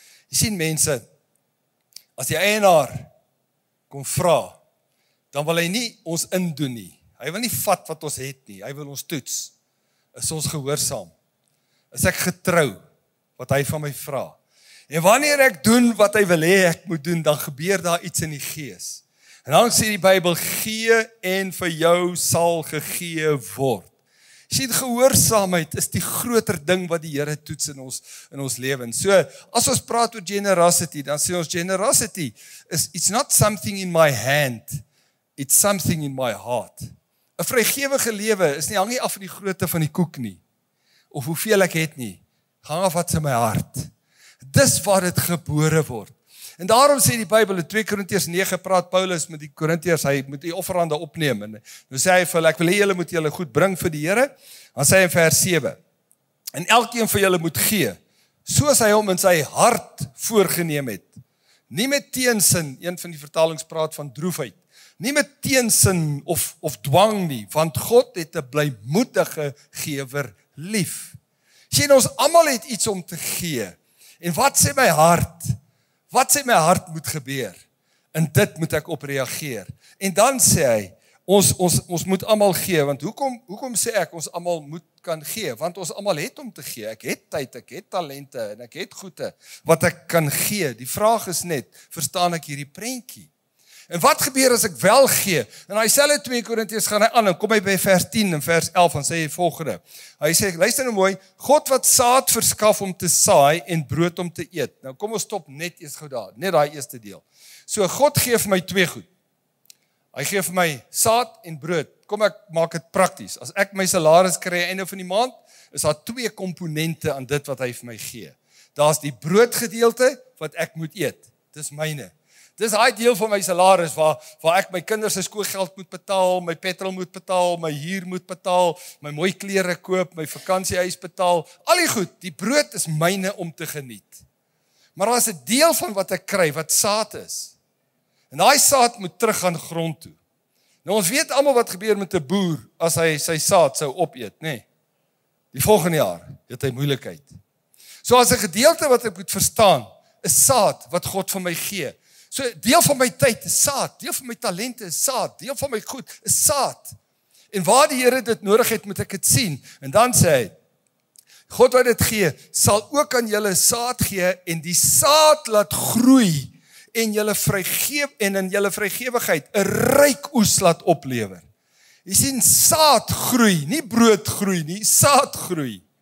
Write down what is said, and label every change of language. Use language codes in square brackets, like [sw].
[af] Jy sien mense, as die eienaar kom vra, dan wil hy nie ons indoen nie, hy wil nie vat wat ons het nie, hy wil ons toets, is ons gehoorsaam, is ek getrou, wat hy van my vra, en wanneer ek doen wat hy wil hê ek moet doen, dan gebeur daar iets in die gees. En dan sê die Bybel, gee en vir jou sal gegee word. Sien, gehoorsaamheid is die groter ding wat die Here toets in ons lewens. So, as ons praat oor generosity, dan sê ons generosity is [en] it's not something in my hand. It's something in my heart. [af] 'N Vrygewige lewe is nie hang nie af van die grootte van die koek nie of hoeveel ek het nie. Hang af wat in my hart. Dis waar dit gebore word. En daarom sê die Bybel in 2 Korintiërs 9 praat Paulus met die Korintiërs, hy moet die offerande opneem en nou sê hy vir hulle, ek wil hê julle moet julle goed bring vir die Here. Dan sê hy in vers 7. En elkeen van julle moet gee soos hy hom in sy hart voorgeneem het. Nie met teensin, een van die vertalings praat van droefheid. Nie met teensin of dwang nie, want God het 'n blymoedige gewer lief. Sien ons almal het iets om te gee. En wat sê my hart? Wat sê my hart moet gebeur? En dit moet ek op reageer. En dan sê hy, ons moet almal gee, want hoekom sê ek ons almal moet kan gee? Want ons almal het om te gee. Ek het tyd, ek het talente en ek het goede wat ek kan gee. Die vraag is net, verstaan ek hierdie prentjie? En wat gebeur as ek wel gee? En hy sê in 2 Korintiërs gaan hy aan en kom hy by vers 10 en vers 11 en sê hy volgende. Hy sê, luister nou mooi, God wat saad verskaf om te saai en brood om te eet. Nou kom ons stop net eers gou daar, net daai eerste deel. So God gee vir my twee goed. Hy gee vir my saad en brood. Kom ek maak dit prakties. As ek my salaris kry einde van die maand, is daar twee komponente aan dit wat hy vir my gee. Daar's die broodgedeelte wat ek moet eet. Dis myne. Dis hy deel van my salaris waar ek my kinders se skoolgeld moet betaal, my petrol moet betaal, my huur moet betaal, my mooi klere koop, my vakansiehuis betaal. Al die goed, die brood is myne om te geniet. Maar daar's 'n deel van wat ek kry wat saad is. En daai saad moet terug aan grond toe. Nou ons weet almal wat gebeur met 'n boer as hy sy saad sou opeet, nê? Die volgende jaar het hy moeilikheid. So as 'n gedeelte wat ek moet verstaan, is saad wat God vir my gee. So deel van my tyd is saad, deel van my talente is saad, deel van my goed is saad. En waar die Here dit nodig het, moet ek dit sien. En dan sê hy, God wat dit gee, sal ook aan julle saad gee en die saad laat groei en julle vrygewig en in julle vrygewigheid 'n ryk oes laat oplewer. Jy sien saad groei, nie brood groei nie, saad groei.